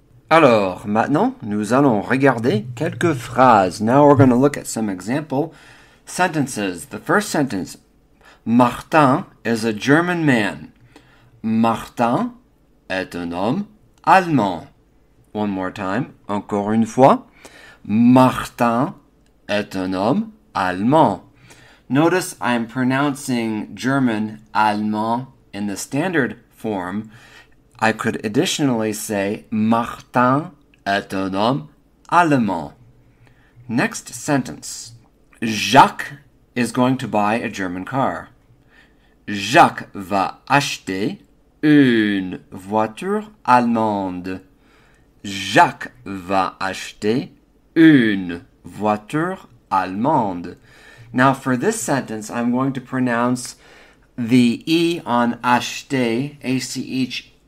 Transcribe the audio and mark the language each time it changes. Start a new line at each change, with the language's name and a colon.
French: Alors, maintenant, nous allons regarder quelques phrases.
English: Now we're going to look at some example sentences. The first sentence, Martin is a German man.
French: Martin est un homme allemand.
English: One more time,
French: encore une fois. Martin est un homme allemand.
English: Notice I'm pronouncing German, allemand, in the standard form. I could additionally say,
French: Martin est un homme allemand.
English: Next sentence. Jacques is going to buy a German car.
French: Jacques va acheter une voiture allemande. Jacques va acheter une voiture allemande.
English: Now, for this sentence, I'm going to pronounce the E on acheter, A-C-H-E-T-E-R.